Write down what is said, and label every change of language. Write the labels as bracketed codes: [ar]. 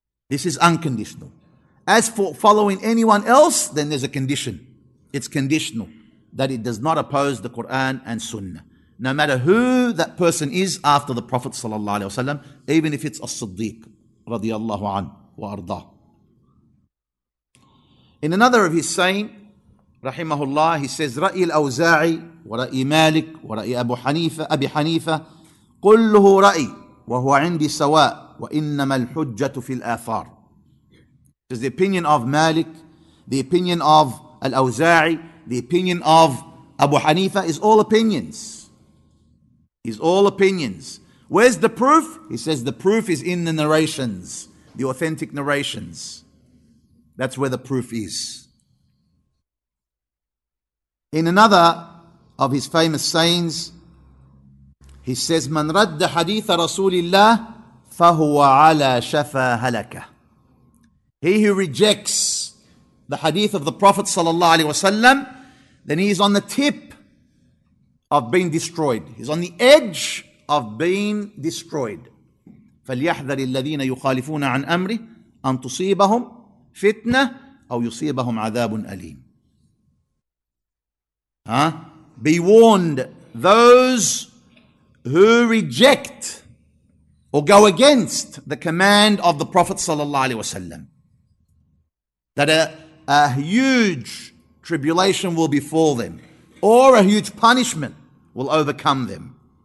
[en] This is unconditional. As for following anyone else, then there's a condition. It's conditional that it does not oppose the Quran and Sunnah, no matter who that person is after the Prophet sallallahu alaihi wasallam, even if it's as-Siddiq radiyallahu anhu wa arda. In another of his saying, rahimahullah, he says, [ar] رأي الأوزاعي ورأي مالك ورأي أبو حنيفة أبي حنيفة كله رأي وهو عندي سواء وإنما الحجة في الآثار. [en] Does the opinion of Malik, the opinion of Al-Awza'i, the opinion of Abu Hanifa is all opinions. Is all opinions. Where's the proof? He says the proof is in the narrations, the authentic narrations. That's where the proof is. In another of his famous sayings, he says, [ar] "Man radda haditha Rasulillah, fahuwa ala shafa halaka." [en] He who rejects the hadith of the Prophet sallallahu alaihi wasallam, then he is on the tip of being destroyed. He's on the edge of being destroyed. [ar] فليحذر الذين يخالفون عن أمره أن تصيبهم فتنة أو يصيبهم عذاب أليم. [en] Huh? Be warned, those who reject or go against the command of the Prophet sallallahu alaihi wasallam, that a huge tribulation will befall them, or a huge punishment will overcome them.